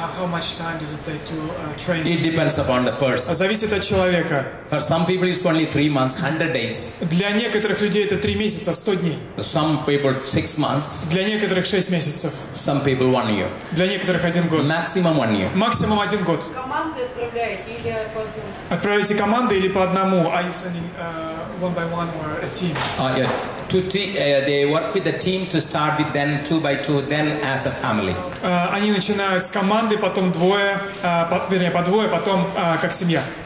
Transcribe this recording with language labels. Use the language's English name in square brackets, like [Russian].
[English] How much time does it take to train? It depends upon the person. [Russian] Зависит от человека. [English] For some people it's only 3 months, 100 days. [Russian] Для некоторых людей это 3 месяца, 100 дней. [English] Some people 6 months. [Russian] Для некоторых 6 месяцев. [English] Some people 1 year. [Russian] Для некоторых 1 год. [English] Maximum 1 year. [Russian] Максимум 1 год. Команды отправляете или по одному? Отправляете команды или по одному? [English] Are you sending one by one or a team? They work with the team to start with, then 2 by 2, then as a family. [Russian] Они начинают с команды, потом двое, вернее, по двое, потом как семья.